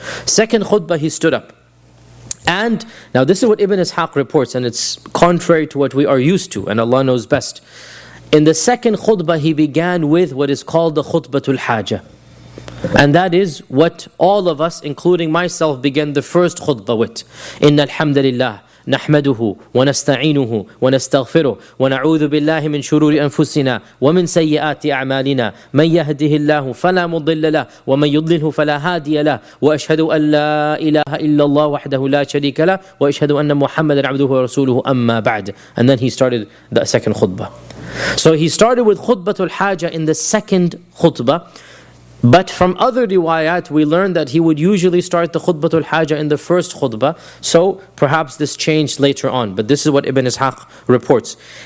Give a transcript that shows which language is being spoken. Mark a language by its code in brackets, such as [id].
[en] Second khutbah, he stood up. And now this is what Ibn Ishaq reports, and it's contrary to what we are used to, and Allah knows best. In the second khutbah, he began with what is called the khutbatul hajah. And that is what all of us, including myself, began the first khutbah with. [ar] Inna alhamdulillah. نحمده ونستعينه ونستغفره ونعوذ بالله من شرور أنفسنا ومن سيئات أعمالنا من يهده الله فلا مضل له ومن يضلله فلا هادي له وأشهد أن لا إله إلا الله وحده لا شريك له وأشهد أن محمد عبده ورسوله أما بعد. [en] And then he started the second khutbah. So he started with khutbatul hajah in the second khutbah. But from other riwayat, we learned that he would usually start the khutbatul hajah in the first khutbah. So perhaps this changed later on. But this is what Ibn Ishaq reports.